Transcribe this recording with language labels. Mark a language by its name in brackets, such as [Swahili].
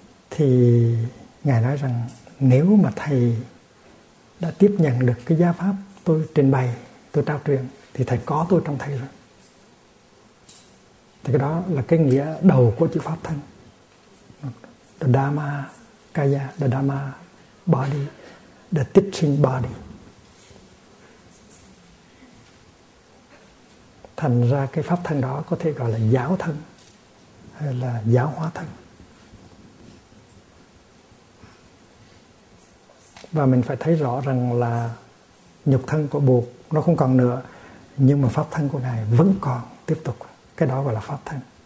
[Vietnamese] Thì Ngài nói rằng nếu mà Thầy đã tiếp nhận được cái giáo pháp tôi trình bày, tôi trao truyền, thì Thầy có tôi trong Thầy rồi. Thì cái đó là cái nghĩa đầu của chữ pháp thân. [English] The Dhamma Kaya, the Dhamma Body, the teaching body. [Vietnamese] Thành ra cái pháp thân đó có thể gọi là giáo thân hay là giáo hóa thân. Và mình phải thấy rõ rằng là nhục thân của Bụt nó không còn nữa, nhưng mà pháp thân của Ngài vẫn còn tiếp tục. Cái đó gọi là pháp thân.